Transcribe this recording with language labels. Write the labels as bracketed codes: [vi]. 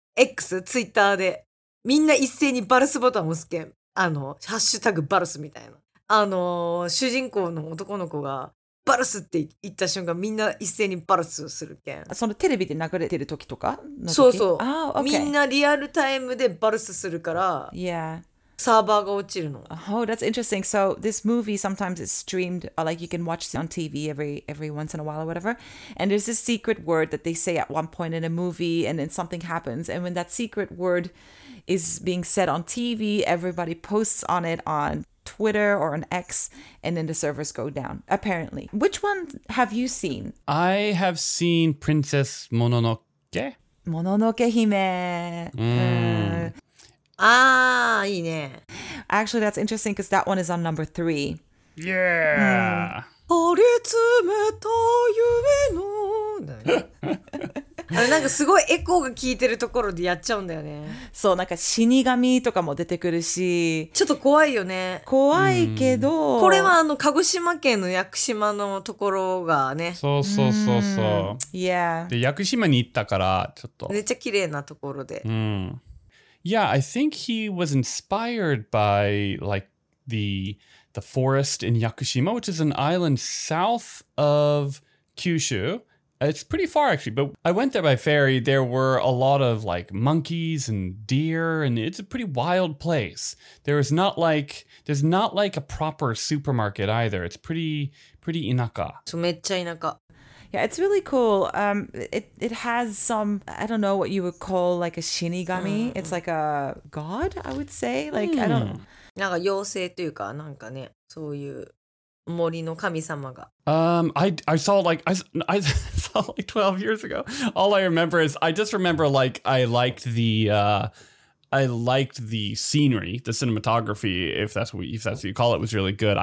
[ja] X、Twitter でみんな一斉にバルスボタンを押すけん、あのハッシュタグバルスみたいな、あの主人公の男の子がバルスって言った瞬間みんな一斉にバルスするけん、そのテレビで流れてる時とかの時、そうそう、 [en] ah, okay. [ja] みんなリアルタイムでバルスするから、 [en] yeah. [ja] サーバーが落ちるの。 [en] Oh, that's interesting. So this movie sometimes is streamed, like you can watch it on TV every once in a while or whatever. And there's this secret word that they say at one point in a movie and then something happens. And when that secret word is being said on TV, everybody posts on it on Twitter or on X and then the servers go down, apparently. Which one have you seen? I have seen Princess Mononoke. Mononoke Hime. [ja] Ah, いいね。 [en] Actually, that's interesting because that one is on number 3. Yeah. [ja] 張り詰めた夢の。あれなんかすごいエコーが効いてるところでやっちゃうんだよね。そう、なんか死神とかも出てくるし。ちょっと怖いよね。怖いけど。これはあの鹿児島県の屋久島のところがね。そうそうそうそう。 [en] Yeah. [ja] で、屋久島に行ったからちょっと。めっちゃ綺麗なところで。 [en] Yeah, I think he was inspired by like the forest in Yakushima, which is an island south of Kyushu. It's pretty far actually, but I went there by ferry. There were a lot of like monkeys and deer, and it's a pretty wild place. There's not like a proper supermarket either. It's pretty inaka. [ja] So めっちゃ田舎. [en] Yeah, it's really cool. It has some, I don't know what you would call like a shinigami. It's like a god, I would say. Like, I don't know. [ja] なんか妖精というか、なんかね、そういう森の神様が。 [en] I saw like 12 years ago. All I remember is, I just remember like, I liked the scenery, the cinematography, if that's what you call it, was really good.